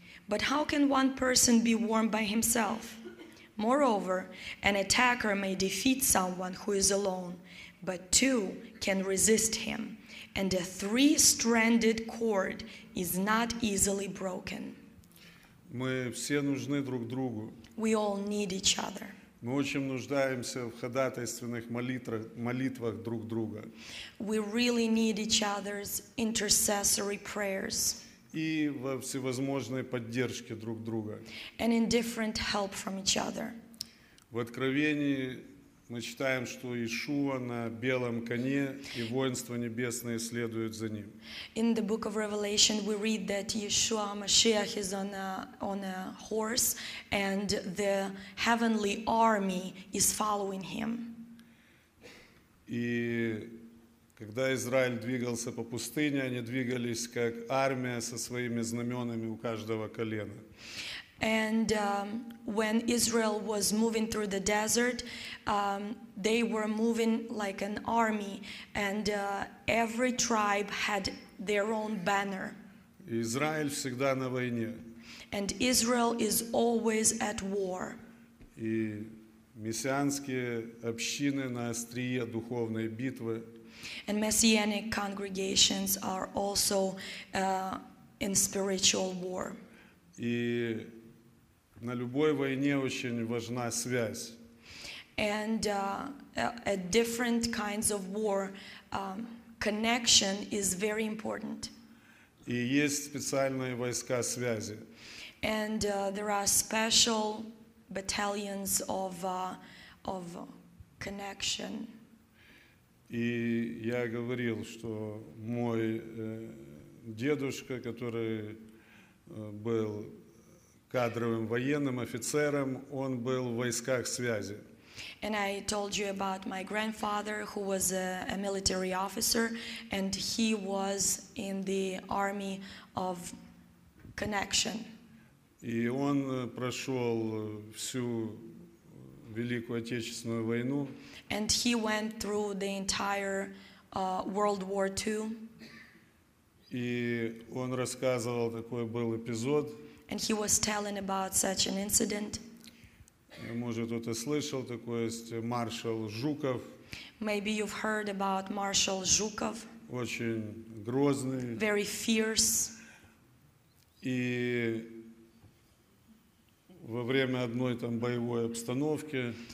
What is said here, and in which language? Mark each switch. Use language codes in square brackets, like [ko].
[en] But how can one person be warm by himself? Moreover, an attacker may defeat someone who is alone, but two can resist him, and a three-stranded cord is not easily broken. [ru] Мы все нужны друг другу. [en] We all need each other. [ru] Мы очень нуждаемся в ходатайственных молитвах друг друга. [en] We really need each other's intercessory prayers. [ru] И во всевозможной поддержке друг друга. [en] And in different help from each other. [ru] В Откровении мы читаем, что Иешуа на белом коне, и воинства небесные следуют за ним. [en] In the book of Revelation we read that Yeshua Mashiach is on a horse and the heavenly army is following him. [ru] И когда Израиль двигался по пустыне, они двигались как армия со своими знаменами у каждого колена. [en] And when Israel was moving through the desert, they were moving like an army, and every tribe had their own banner. [ru] Израиль всегда на войне. [en] And Israel is always at war. [ru] И мессианские общины на острие духовной битвы. [en] And messianic congregations are also in spiritual war. [ru] И на любой войне очень важна связь. [en] And at different kinds of war, connection is very important. [ru] И есть специальные войска связи. [en] And there are special battalions of connection. [ru] И я говорил, что мой дедушка, который был кадровым военным офицером, он был в войсках связи. [en] And I told you about my grandfather, who was a military officer, and he was in the army of connection. [ru] И он прошел всю Великую Отечественную войну. [en] And he went through the entire World War II. [ru] И он рассказывал, такой был эпизод. [en] And he was telling about such an incident. [ru] Может, кто-то слышал, такой есть маршал Жуков. [en] Maybe you've heard about Marshal Zhukov. [ru] Очень грозный. [en] Very fierce. [ru] И во время одной там боевой обстановки.